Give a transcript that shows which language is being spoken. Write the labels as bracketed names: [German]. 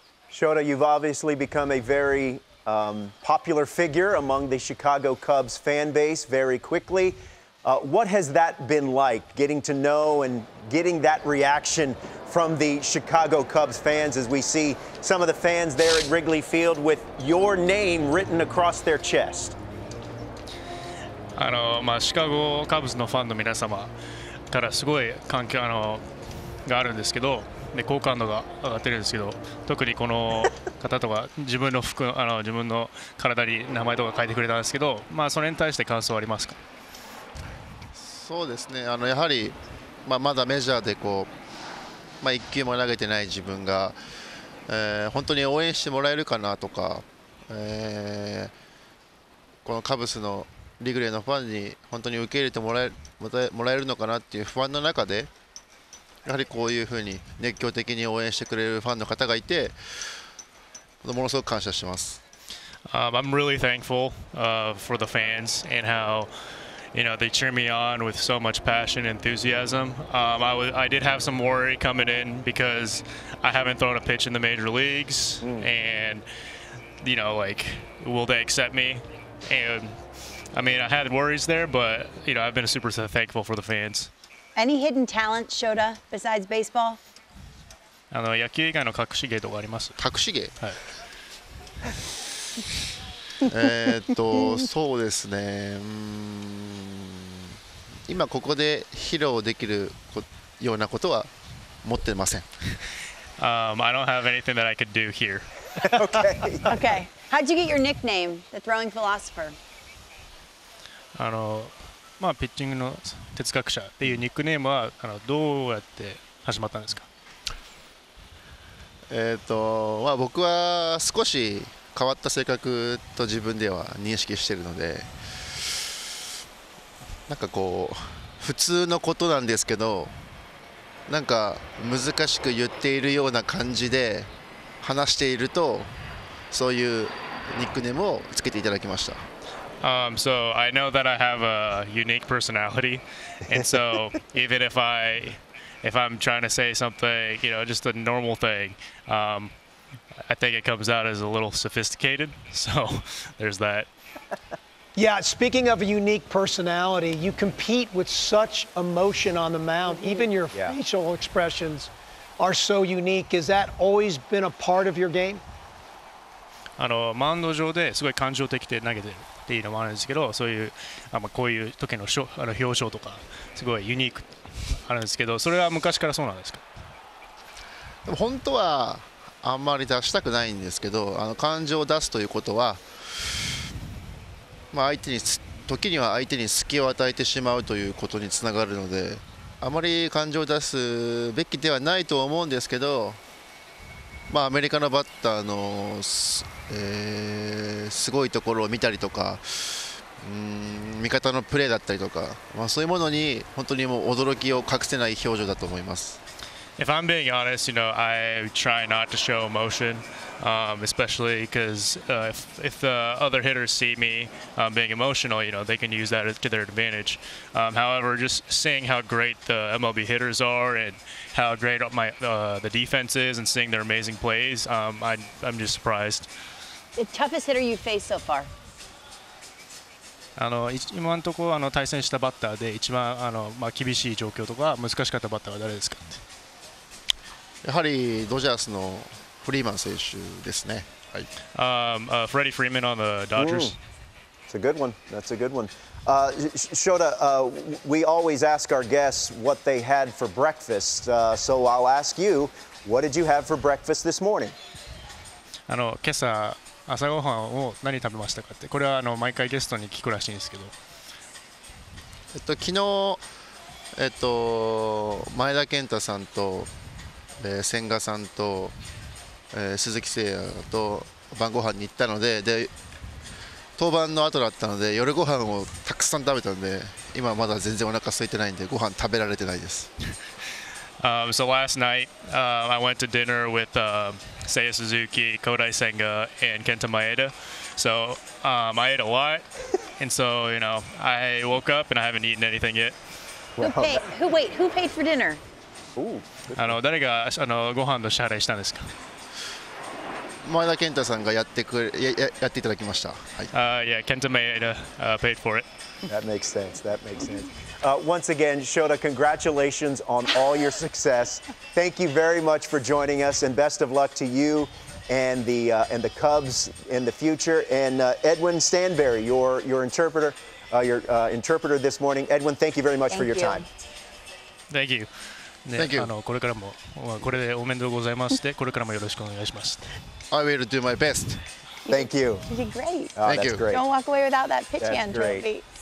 [English] Shota, you've obviously become a very popular figure among the Chicago Cubs fan base very quickly. What has that been like, getting to know and getting that reaction from the Chicago Cubs fans as we see some of the fans there at Wrigley Field with your name written across their chest? [Japanese] シカゴカブスのファンの皆様からすごい関係があるんですけど、好感度が上がってるんですけど、特にこの方とか自分の服、自分の体に名前とか書いてくれたんですけど、それに対して感想はありますか？そうですね、やはり、まだメジャーで一球も投げてない自分が、本当に応援してもらえるかなとか、このカブスのリグレーのファンに本当に受け入れてもらえるのかなっていう不安の中で、やはりこういうふうに熱狂的に応援してくれるファンの方がいて、ものすごく感謝してます。 [English] I'm really thankful for the fans and how, you know, they cheer me on with so much passion and enthusiasm. I did have some worry coming in because I haven't thrown a pitch in the major leagues, and you know, like, will they accept me? And I mean, I had worries there, but you know, I've been super thankful for the fans. Any hidden talent, Shota, besides baseball? [Japanese] あの野球以外の隠し芸とかあります？隠し芸？はい。そうですね、今ここで披露できるようなことは持ってません。 [English] I don't have anything that I could do here. Okay. Okay. How'd you get your nickname, the throwing philosopher? [Japanese] あの、まあ、ピッチングの哲学者っていうニックネームはあのどうやって始まったんですか？まあ、僕は少し変わった性格と自分では認識しているので、なんかこう普通のことなんですけど、なんか難しく言っているような感じで話していると、そういうニックネームをつけていただきました。 [English] So I know that I have a unique personality, and so even if I'm trying to say something, you know, just a normal thing, I think it comes out as a little sophisticated. So there's that. Yeah, speaking of a unique personality, you compete with such emotion on the mound. Even your facial expressions are so unique. Has that always been a part of your game? [Japanese] あの、マウンド上ですごい感情的で投げてるっていうのもあるんですけど、そういう、あ、まあ、こういう時の、あの表情とかすごいユニークあるんですけど、それは昔からそうなんですか？でも本当はあんまり出したくないんですけど、あの感情を出すということは、まあ、相手に時には相手に隙を与えてしまうということにつながるので、あまり感情を出すべきではないと思うんですけど、まあ、アメリカのバッターの、すごいところを見たりとか、味方のプレーだったりとか、まあ、そういうものに本当にもう驚きを隠せない表情だと思います。 [English] If I'm being honest, you know, I try not to show emotion, especially because if the other hitters see me being emotional, you know, they can use that to their advantage. However, just seeing how great the MLB hitters are and how great the defense is and seeing their amazing plays, I'm just surprised. The toughest hitter you've faced so far? [Japanese] あの今のところあの対戦したバッターで一番あの、まあ、厳しい状況とか難しかったバッターは誰ですかって。やはりドジャースのフリーマン選手ですね。はい。 [English] フレディ・フリーマン on the Dodgers. That's a good one. That's a good one. Shota, we always ask our guests what they had for breakfast. So I'll ask you, what did you have for breakfast this morning? [Japanese] あの今朝朝ごはんを何食べましたかって、これはあの毎回ゲストに聞くらしいんですけど。昨日前田健太さんと千賀さんと、鈴木誠也と晩ご飯に行ったので、で当番の後だったので夜ご飯をたくさん食べたので、今まだ全然お腹空いてないんでご飯食べられてないです。 [English] So last night, I went to dinner with Seiya Suzuki, Kodai Senga, and Kenta Maeda. So I ate a lot, and so you know, I woke up and I haven't eaten anything yet. Who paid for dinner? [Japanese] あの誰があのご飯の支払いしたんですか？前田健太さんがやっていただきました。はい。 [English] Yeah, Kenta Maeda paid for it. That makes sense. That makes sense. Once again, Shota, congratulations on all your success. Thank you very much for joining us, and best of luck to you and the Cubs in the future. And Edwin Stanberry, your interpreter this morning. Edwin, thank you very much for your time. Thank you. ね、Thank you. あの [Japanese] これからも、これでおめでとうございますで、これからもよろしくお願いします。 [English] I will do my best. Thank you. You did great. Thank you. Don't walk away without that pitch hand trophy.